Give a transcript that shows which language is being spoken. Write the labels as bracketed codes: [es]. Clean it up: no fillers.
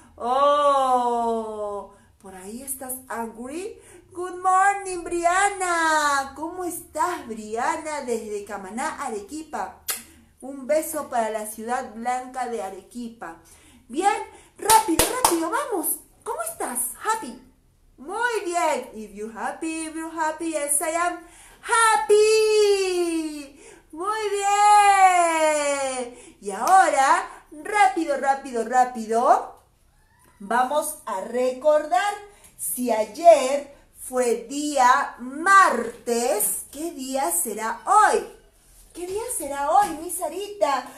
[es] Oh, por ahí estás angry. [en] Good morning, [es] Briana. ¿Cómo estás, Briana, desde Camaná, Arequipa? Un beso para la ciudad blanca de Arequipa. Bien, rápido, rápido, vamos. ¿Cómo estás? Happy. Muy bien. [en] If you're happy, if you're happy, yes, I am happy. [es] Muy bien. Y ahora, rápido, rápido, rápido, vamos a recordar si ayer fue día martes. ¿Qué día será hoy? ¿Qué día será hoy, mi Sarita?